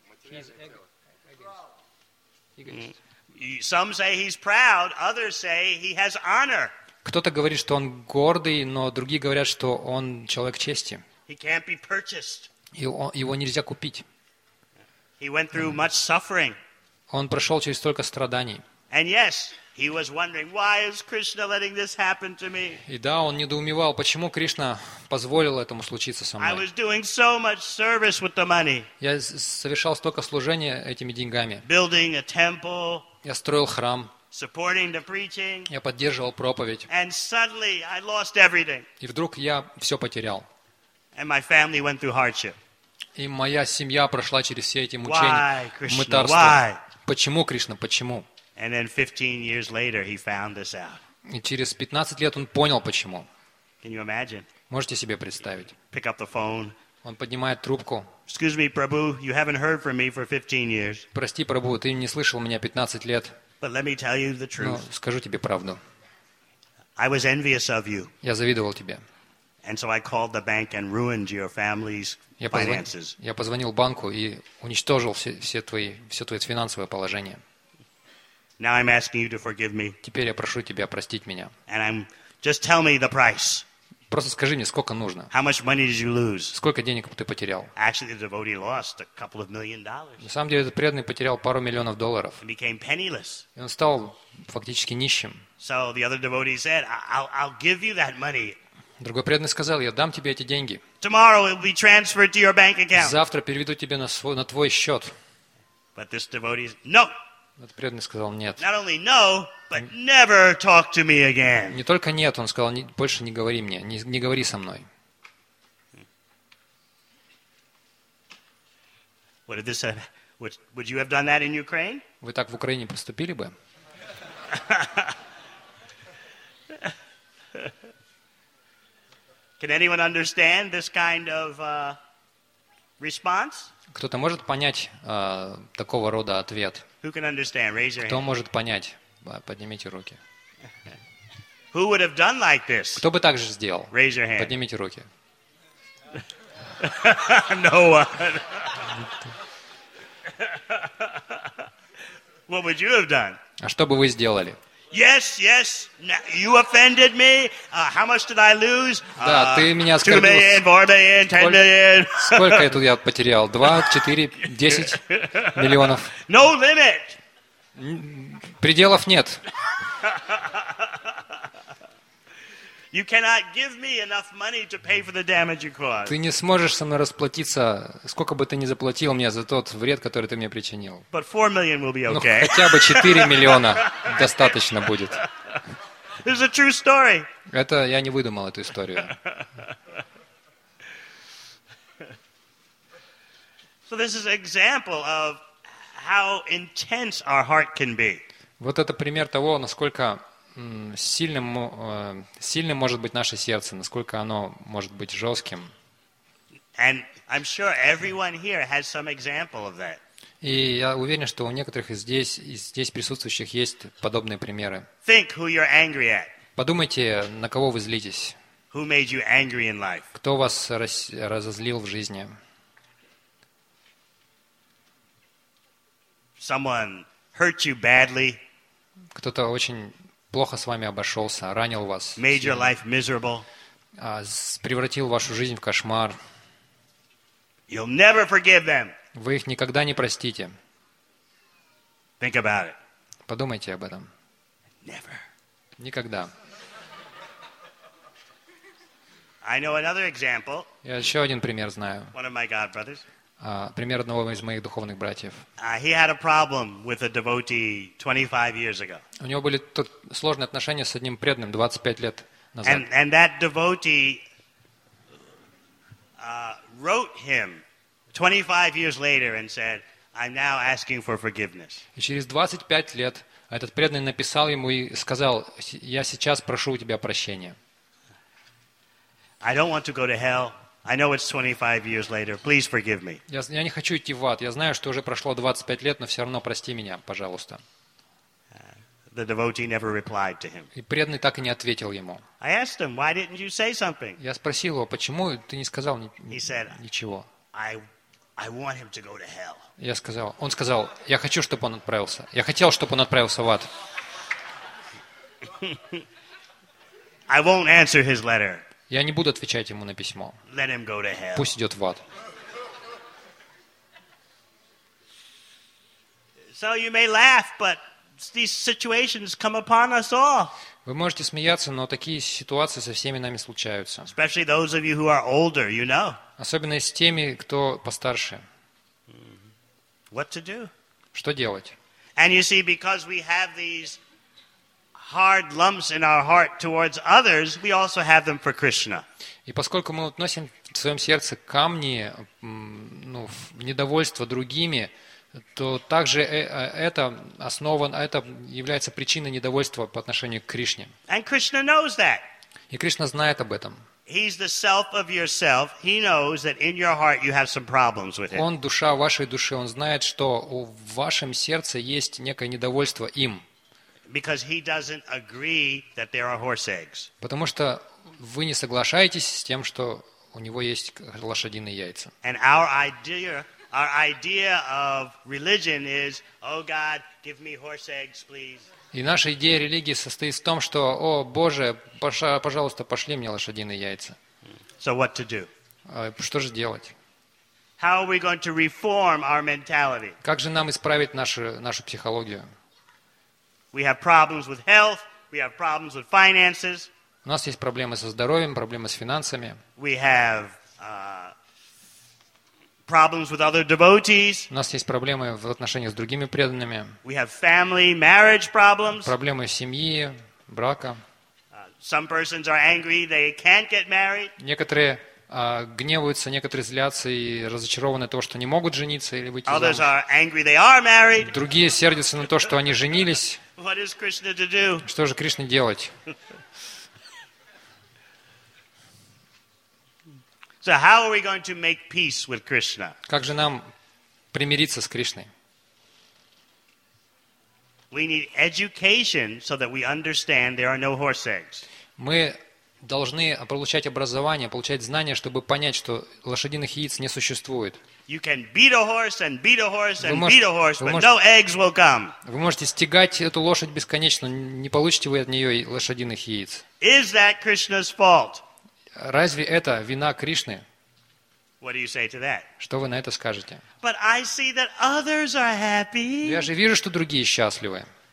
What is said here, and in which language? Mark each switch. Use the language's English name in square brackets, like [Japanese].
[English] He's egoist. Some say he's proud. Others say he has honor. [Russian] Кто-то говорит, что он гордый, но другие говорят, что он человек чести. [English] He can't be purchased. [Russian] Его нельзя купить. [English] He went through much suffering. [Russian] Он прошел через столько страданий. [English] And yes, he was wondering, why is Krishna letting this happen to me? [Russian] И да, он недоумевал, почему Кришна позволил этому случиться со мной. [English] I was doing so much service with the money. [Russian] Я совершал столько служения этими деньгами. [English] Building a temple. [Russian] Я строил храм. [English] Supporting the preaching. [Russian] Я поддерживал проповедь. [English] And suddenly I lost everything. [Russian] И вдруг я все потерял. [English] And my family went through hardship. [Russian] И моя семья прошла через все эти мучения, мытарство. [English] Why? [Russian] Почему, Кришна, почему? [English] And then 15 years later, he found this out. [Russian] И через 15 лет он понял, почему. [English] Can you imagine? [Russian] Можете себе представить? [English] Pick up the phone. [Russian] Он поднимает трубку. [English] Excuse me, Prabhu, you haven't heard from me for 15 years. [Russian] Прости, Прабу, ты не слышал меня 15 лет. [English] But let me tell you the truth. [Russian] Но скажу тебе правду. [English] I was envious of you. [Russian] Я завидовал тебе. [English] And so I called the bank and ruined your family's finances. [Russian] Я позвонил банку и уничтожил все твои финансовое положение. [English] Now I'm asking you to forgive me. [Russian] Теперь я прошу тебя простить меня. [English] And I'm just tell me the price. [Russian] просто скажи мне, сколько нужно. [English] How much money did you lose? [Russian] Сколько денег ты потерял? [English] Actually, the devotee lost a couple of million dollars. [Russian] На самом деле, этот преданный потерял пару миллионов долларов. [English] And became penniless. [Russian] И он стал фактически нищим. [English] So the other devotee said, I'll give you that money. [Russian] Другой преданный сказал, я дам тебе эти деньги. [English] Tomorrow it'll be transferred to your bank account. [Russian] Завтра переведу тебе на твой счет. [English] But this devotee said, no. [Russian] Этот преданный сказал нет. [English] Not only no, but never talk to me again. [Russian] Не только нет, он сказал, больше не говори мне, не говори со мной. [English] What if this would you have done that in Ukraine? [Russian] Вы так в Украине поступили бы? [English] Can anyone understand this kind of response? [Russian] Кто-то может понять такого рода ответ? [English] Who can understand? Raise your hand. [Russian] Кто может понять? Поднимите руки. [English] Who would have done like this? [Russian] Кто бы так же сделал? [English] Raise your hand. [Russian] Поднимите руки. [English] No one. What would you have done? [Russian] А что бы вы сделали? [English] Yes, yes. You offended me. How much did I lose? [Russian] Да, ты меня оскорбил. [English] 2 million, 4 million, 10 million. [Russian] Сколько я тут я потерял? 2, 4, 10 миллионов. [English] No limit. [Russian] Пределов нет. [English] You cannot give me enough money to pay for the damage you caused. [Russian] Ты не сможешь со мной расплатиться, сколько бы ты ни заплатил мне за тот вред, который ты мне причинил. [English] But 4 million will be okay. [Russian] Ну, хотя бы 4 миллиона достаточно будет. [English] This is a true story. [Russian] Это я не выдумал эту историю. [English] So this is an example of how intense our heart can be. [Russian] Вот это пример того, насколько сильным может быть наше сердце, насколько оно может быть жестким. [English] And I'm sure everyone here has some example of that. [Russian] И я уверен, что у некоторых из здесь присутствующих есть подобные примеры. [English] Think who you're angry at. [Russian] Подумайте, на кого вы злитесь. [English] Who made you angry in life? [Russian] Кто вас разозлил в жизни? [English] Someone hurt you badly. [Russian] Кто-то очень плохо с вами обошелся, ранил вас. [English] Made your life miserable. [Russian] Превратил вашу жизнь в кошмар. [English] You'll never forgive them. [Russian] Вы их никогда не простите. [English] Think about it. [Russian] Подумайте об этом. [English] Never. [Russian] Никогда. [English] I know another example. [Russian] Я еще один пример знаю. [English] One of my God brothers. [Russian] Пример одного из моих духовных братьев. [English] He had a problem with a devotee 25 years ago. [Russian] У него были сложные отношения с одним преданным 25 лет назад. [English] And that devotee wrote him 25 years later and said, "I'm now asking for forgiveness." [Russian] И через 25 лет этот преданный написал ему и сказал: "Я сейчас прошу у тебя прощения." [English] I don't want to go to hell. I know it's 25 years later. Please forgive me. [Russian] Я не хочу идти в ад. Я знаю, что уже прошло 25 лет, но все равно прости меня, пожалуйста. [English] The devotee never replied to him. [Russian] И преданный так и не ответил ему. [English] I asked him, why didn't you say something? [Russian] Я спросил его, почему ты не сказал ничего? [English] I want him to go to hell. [Russian] Он сказал, я хочу, чтобы он отправился. Я хотел, чтобы он отправился в ад. [English] I won't answer his letter. [Russian] Я не буду отвечать ему на письмо. [English] Let him go to hell. [Russian] Пусть идет в ад. [English] So you may laugh, but these situations come upon us all. [Russian] Вы можете смеяться, но такие ситуации со всеми нами случаются. [English] Especially those of you who are older, you know. [Russian] Особенно с теми, кто постарше. [English] What to do? [Russian] Что делать? [English] And you see, because we have these hard lumps in our heart towards others, we also have them for Krishna. [Russian] И поскольку мы носим в своем сердце камни, недовольство другими, то также это является причиной недовольства по отношению к Кришне. [English] And Krishna knows that. [Russian] И Кришна знает об этом. [English] He's the self of yourself. He knows that in your heart you have some problems with him. [Russian] Он душа вашей души. Он знает, что в вашем сердце есть некое недовольство им. [English] Because he doesn't agree that there are horse eggs. [Russian] Потому что вы не соглашаетесь с тем, что у него есть лошадиные яйца. [English] And our idea Our idea of religion is, oh God, give me horse eggs, please. [Russian] И наша идея религии состоит в том, что, о Боже, пожалуйста, пошли мне лошадиные яйца. [English] So what to do? [Russian] Что же делать? [English] How are we going to reform our mentality? [Russian] Как же нам исправить нашу психологию? [English] We have problems with health. We have problems with finances. [Russian] У нас есть проблемы со здоровьем, проблемы с финансами. [English] We have problems with other devotees. [Russian] У нас есть проблемы в отношениях с другими преданными. [English] We have family, marriage problems. [Russian] Проблемы семьи, брака. [English] Some persons are angry, they can't get married. [Russian] Некоторые гневаются, некоторые злятся и разочарованы то, что не могут жениться или выйти замуж. [English] Others are angry, they are married. [Russian] Другие сердятся на то, что они женились. [English] What is Krishna to do? [Russian] Что же Кришне делать? [English] So how are we going to make peace with Krishna? [Russian] Как же нам примириться с Кришной? [English] We need education so that we understand there are no horse eggs. [Russian] Мы должны получать образование, получать знания, чтобы понять, что лошадиных яиц не существует. [English] You can beat a horse and beat a horse and beat a horse, but no eggs will come. [Russian] Вы можете стегать эту лошадь бесконечно, не получите вы от нее лошадиных яиц. [English] Is that Krishna's fault? [Russian] Разве это вина Кришны? [English] What do you say to that? [Russian] Что вы на это скажете? [English] But I see that others are happy. [Russian] Я же вижу, что другие счастливы.